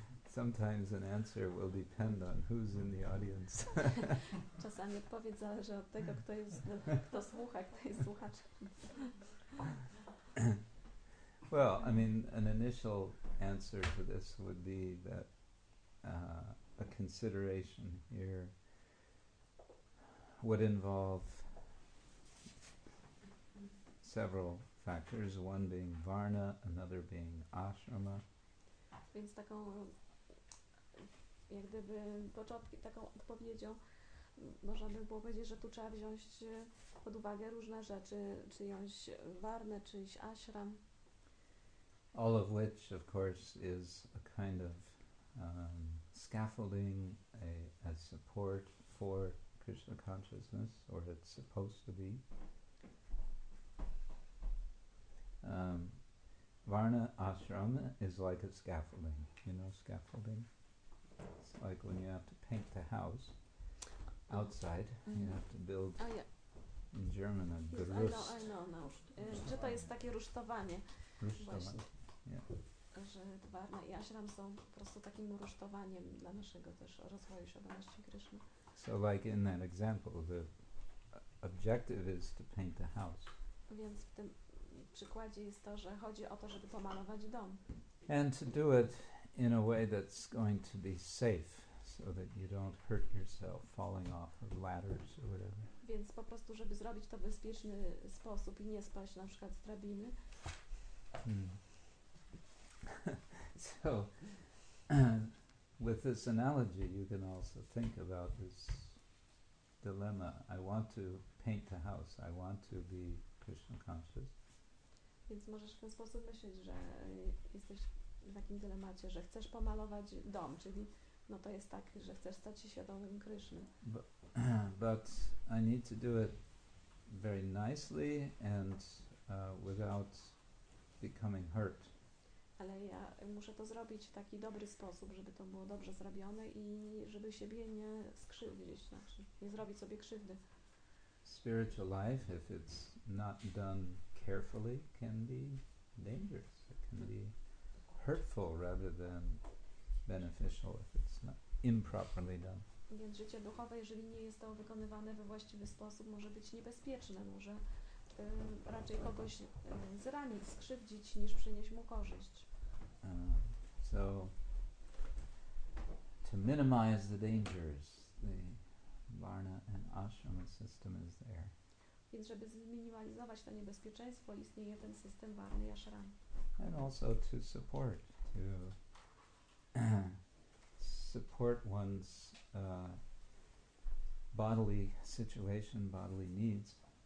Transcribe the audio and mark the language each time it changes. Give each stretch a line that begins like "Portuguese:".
English: Sometimes an answer will depend on who's in the audience.
Polish: Czasami odpowiedź zależy od tego, kto jest, kto słucha, kto jest słuchaczem.
English: Well, I mean, an initial answer to this would be that a consideration here would involve several factors, one being varna, another being ashrama.
Polish: Więc taką, jak gdyby początki, taką odpowiedzią można by było powiedzieć, że tu trzeba wziąć pod uwagę różne rzeczy, czyjąś warnę, czyjś ashram.
English: All of which, of course, is a kind of scaffolding, a support for Krishna consciousness, or it's supposed to be. Varna ashram is like a scaffolding. You know scaffolding? It's like when you have to paint the house outside, you have to build. Oh, yeah. In German, a yes, grus. I know.
Polish: Czy to jest takie rusztowanie? Rusztowanie.
English: Yeah.
Polish: Że varna i ashram są po prostu takim rusztowaniem dla naszego też rozwoju świadomości Kryszny.
English: So like in that example, the objective is to paint the house.
Polish: Więc w tym przykładzie jest to, że chodzi o to, żeby pomalować dom.
English: And to do it in a way that's going to be safe, so that you don't hurt yourself falling off of ladders or whatever.
Polish: Więc po prostu, żeby zrobić to w bezpieczny sposób i nie spaść na przykład z drabiny. Hmm.
English: So, with this analogy, you can also think about this dilemma. I want to paint the house. I want to be Krishna conscious.
Polish: Więc możesz w ten sposób myśleć, że jesteś w takim dylemacie, że chcesz pomalować dom, czyli no to jest tak, że chcesz stać się świadomym Kryszny.
English: But I need to do it very nicely and without becoming hurt.
Polish: Ale ja muszę to zrobić w taki dobry sposób, żeby to było dobrze zrobione i żeby siebie nie skrzywdzić, znaczy nie zrobić sobie krzywdy.
English: Spiritual life, if it's not done carefully, can be dangerous. It can be hurtful rather than beneficial if it's not improperly done.
Polish: Więc życie duchowe, jeżeli nie jest to wykonywane we właściwy sposób, może być niebezpieczne, może raczej kogoś zranić, skrzywdzić, niż przynieść mu korzyść.
English: So to minimize the dangers, the varna and ashram system is there.
Polish: Więc żeby zminimalizować to niebezpieczeństwo, istnieje ten system varna i ashram.
English: And also to support, support one's bodily situation, bodily needs.